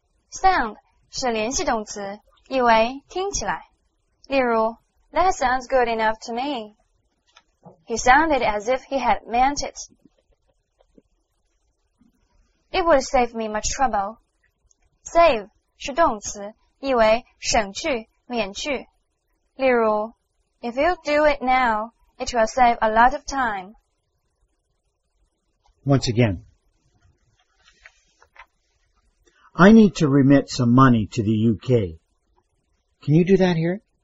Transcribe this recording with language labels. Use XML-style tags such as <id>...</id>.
<zh>Sound 是联系动词，意为听起来。例如</zh> <en>,That sounds good enough to me. He sounded as if he had meant it. It would save me much trouble.</en> <zh>Save 是动词，意为省去、免去。例如</zh> <en>,If you do it now, it will save a lot of time. Once again,I need to remit some money to the UK. Can you do that here?</en>